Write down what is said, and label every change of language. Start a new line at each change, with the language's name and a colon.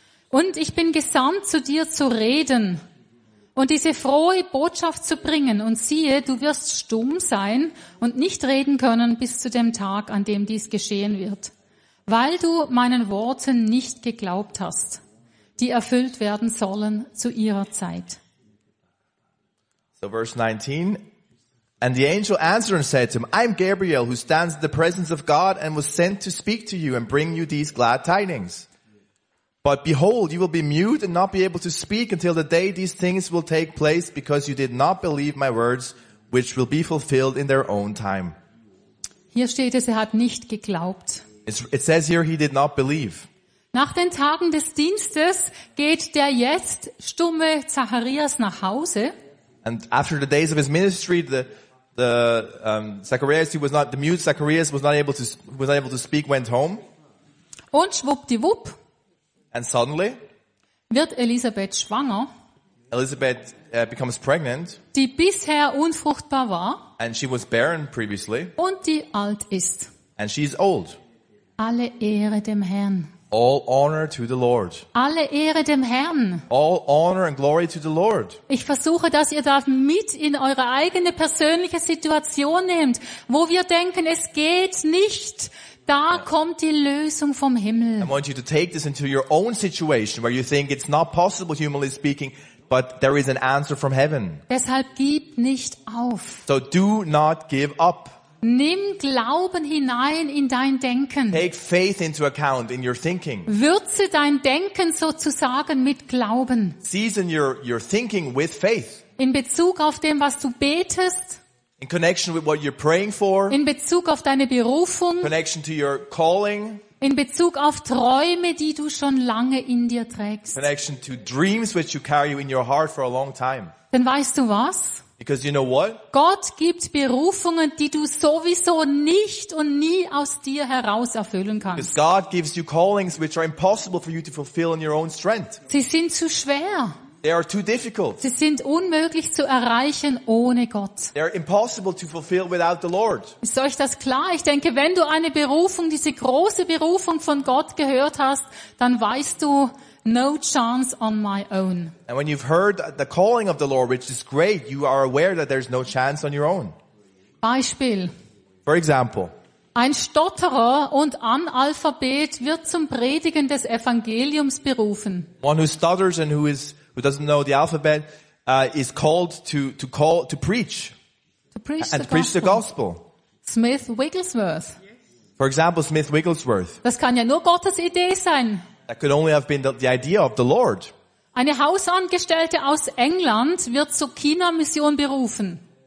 German: Und ich bin gesandt, zu dir zu reden und diese frohe Botschaft zu bringen. Und siehe, du wirst stumm sein und nicht reden können bis zu dem Tag, an dem dies geschehen wird, weil du meinen Worten nicht geglaubt hast, die erfüllt werden sollen zu ihrer Zeit.
English: So verse 19, and the angel answered and said to him, I am Gabriel, who stands in the presence of God and was sent to speak to you and bring you these glad tidings. But behold, you will be mute and not be able to speak until the day these things will take place, because you did not believe my words, which will be fulfilled in their own time.
German: Hier steht es, er hat nicht geglaubt.
English: It says here he did not believe.
German: Nach den Tagen des Dienstes geht der jetzt stumme Zacharias nach Hause.
English: And after the days of his ministry, the mute Zacharias was not able to speak, went home.
German: Und schwuppdiwupp.
English: And suddenly,
German: wird Elisabeth schwanger.
English: Elisabeth becomes pregnant.
German: Die bisher unfruchtbar war.
English: And she was barren previously.
German: Und die alt ist.
English: And she's old.
German: Alle Ehre dem Herrn.
English: All honor to the Lord.
German: Alle Ehre dem Herrn.
English: All honor and glory to the Lord.
German: Ich versuche, dass ihr das mit in eure eigene persönliche Situation nehmt, wo wir denken, es geht nicht. Da kommt die Lösung vom Himmel.
English: I want you to take this into your own situation, where you think it's not possible, humanly speaking, but there is an answer from heaven.
German: Deshalb gib nicht auf.
English: So do not give up.
German: Nimm Glauben hinein in dein Denken.
English: Take faith into account in your thinking.
German: Würze dein Denken sozusagen mit Glauben.
English: Season your thinking with faith.
German: In Bezug auf dem, was du betest.
English: In connection with what you're praying for.
German: In Bezug auf deine Berufung. In
English: connection to your calling.
German: In Bezug auf Träume, die du schon lange in dir trägst.
English: In connection to dreams which you carry in your heart for a long time.
German: Dann weißt du was?
English: Because you know what?
German: Gott gibt Berufungen, die du sowieso nicht und nie aus dir heraus erfüllen kannst.
English: Because God gives you callings which are impossible for you to fulfill in your own strength.
German: Sie sind zu schwer.
English: They are too difficult.
German: Sie sind unmöglich zu erreichen ohne Gott.
English: They are impossible to fulfill without the Lord.
German: Ist euch das klar? Ich denke, wenn du eine Berufung, diese große Berufung von Gott gehört hast, dann weißt du,
English: no chance on my own. And when you've heard the calling of the Lord, which is great, you are aware that there's no chance on your own.
German: Beispiel.
English: For example.
German: Ein Stotterer und Analphabet wird zum Predigen des Evangeliums berufen.
English: One who stutters and who doesn't know the alphabet is called to preach. To preach the gospel. Smith Wigglesworth. For example, Smith Wigglesworth.
German: Das kann ja nur Gottes Idee sein.
English: That could only have been the idea of the Lord.
German: Eine Hausangestellte aus England wird zur China-Mission berufen.